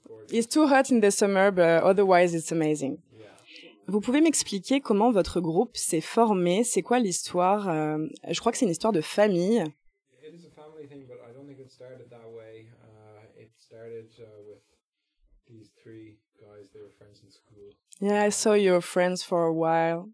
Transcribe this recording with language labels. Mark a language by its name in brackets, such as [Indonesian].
[English] It's too hot in the summer, but otherwise it's amazing. Yeah. [French] Vous pouvez m'expliquer comment votre groupe s'est formé? C'est quoi l'histoire? Je crois que c'est une histoire de famille. [English] It is a family thing, but I don't think it started that way. It started with these three guys. They were friends in school. Yeah, I saw your friends for a while.